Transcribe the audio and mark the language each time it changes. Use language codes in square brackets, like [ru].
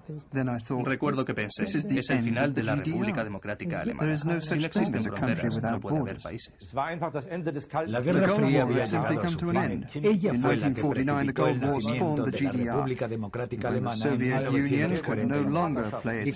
[en] Then I thought, [es] recuerdo que pensé, [en] this is the [es] es el final de la República Democrática Alemana. [en] There is no such thing as a country without borders. [es] La Guerra Fría había llegado a su fin. [en] In 1949, the Cold War spawned the GDR. When the Soviet Union could no longer play its